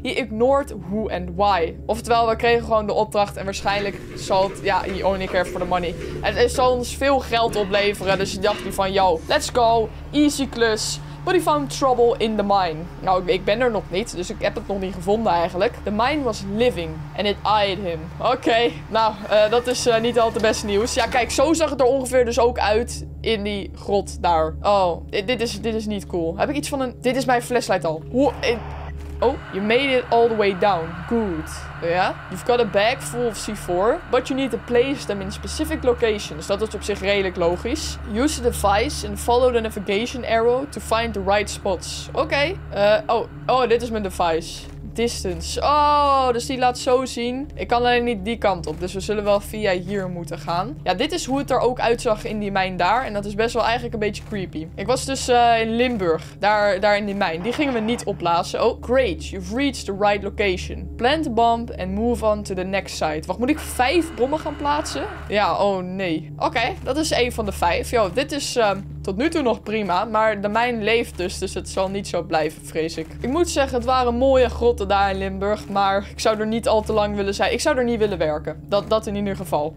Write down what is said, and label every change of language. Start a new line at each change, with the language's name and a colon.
English: He ignored who and why.
Dutch: Oftewel, we kregen gewoon de opdracht en waarschijnlijk zal het, ja,
English: he only cared for the money.
Dutch: Het zal ons veel geld opleveren, dus dacht hij van, yo,
English: let's go,
Dutch: easy klus.
English: But he found trouble in the mine.
Dutch: Nou, ik ben er nog niet, dus ik heb het nog niet gevonden eigenlijk.
English: The mine was living and it eyed him.
Dutch: Oké, nou, dat is niet al te best nieuws. Ja, kijk, zo zag het er ongeveer dus ook uit in die grot daar. Oh, dit is niet cool. Heb ik iets van een... Dit is mijn flashlight al.
English: Oh, you made it all the way down. Good. Ja? You've got a bag full of C4. But you need to place them in specific locations.
Dutch: Dat is op zich redelijk logisch.
English: Use the device and follow the navigation arrow to find the right spots.
Dutch: Oké. Dit is mijn device. Distance. Oh, dus die laat zo zien. Ik kan alleen niet die kant op. Dus we zullen wel via hier moeten gaan. Ja, dit is hoe het er ook uitzag in die mijn daar. En dat is best wel eigenlijk een beetje creepy. Ik was dus in Limburg. Daar in die mijn. Die gingen we niet opblazen.
English: Oh, great. You've reached the right location. Plant the bomb and move on to the next site.
Dutch: Wacht, moet ik 5 bommen gaan plaatsen? Ja, oh nee. Oké, dat is 1 van de 5. Yo, dit is... tot nu toe nog prima, maar de mijn leeft dus, dus het zal niet zo blijven, vrees ik. Ik moet zeggen, het waren mooie grotten daar in Limburg, maar ik zou er niet al te lang willen zijn. Ik zou er niet willen werken, dat in ieder geval.